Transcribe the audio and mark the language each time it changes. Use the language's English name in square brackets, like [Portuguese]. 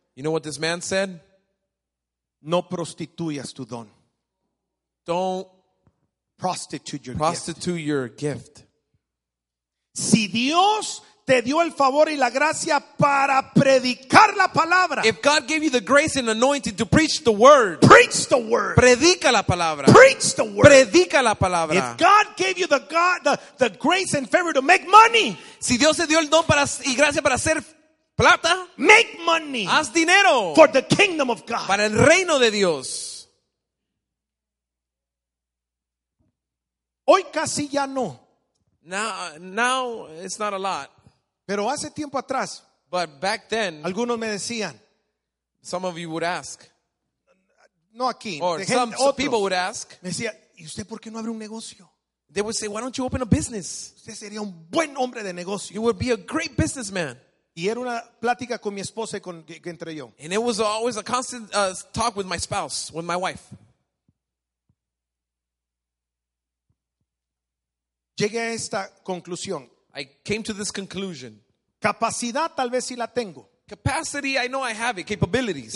[English] You know what this man said? [Spanish] No prostituyas tu don. [English] Don't prostitute your prostitute gift. Your gift. [Spanish] Si Dios te dio el favor y la gracia para predicar la palabra, [English] if God gave you the grace and anointing to preach the word, preach the word. [Spanish] Predica la palabra. [English] Preach the word. [Spanish] Predica la palabra. [English] If God gave you the grace and favor to make money, [Spanish] si Dios te dio el don para y gracia para hacer plata, [English] make money. [Spanish] Haz dinero. [English] For the kingdom of God. [Spanish] Para el reino de Dios. Hoy casi ya no. [English] Now it's not a lot. [Spanish] Pero hace tiempo atrás, [English] but back then, [Spanish] algunos me decían, [English] some of you would ask, [Spanish] no aquí, [English] or some people would ask, [Spanish] me decía, ¿y usted por qué no abre un negocio? [English] They would say, why don't you open a business? [Spanish] Usted sería un buen hombre de negocio. [English] You would be a great businessman. [Spanish] Y era una plática con mi esposa y con que entre yo. [English] And it was always a constant talk with my spouse, with my wife. [Spanish] Llegué a esta conclusión. [English] I came to this conclusion. [Spanish] Capacidad tal vez sí la tengo. [English] Capacity, I know I have it. Capabilities.